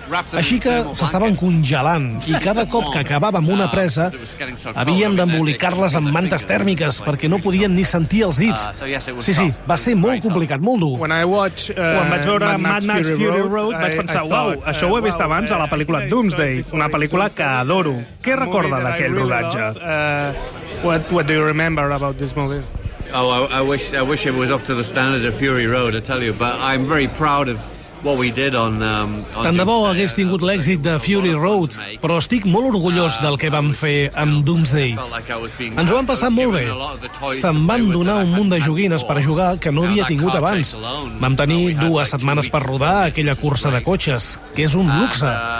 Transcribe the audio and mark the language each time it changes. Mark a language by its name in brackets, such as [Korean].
[Catalan] Així que s'estaven congelant i cada cop que acabàvem una presa havíem d'embolicar-les amb mantes tèrmiques perquè no podien ni sentir els dits. Sí, sí, va ser molt complicat, molt dur. Quan vaig veure Mad Max Fury Road vaig pensar, uau, això ho he vist abans a la pel·lícula Doomsday, una pel·lícula que adoro. Què recorda d'aquell rodatge? [English] What do you remember about this movie? Oh, I wish it was up to the standard of Fury Road, I tell you, but I'm very proud of what we did on... [Catalan] Tant de bo hagués tingut l'èxit de Fury Road, però estic molt orgullós del que vam fer amb Doomsday. Ens ho vam passar molt bé. Se'm van donar un munt de joguines per jugar que no havia tingut abans. Vam tenir dues setmanes per rodar aquella cursa de cotxes, que és un luxe.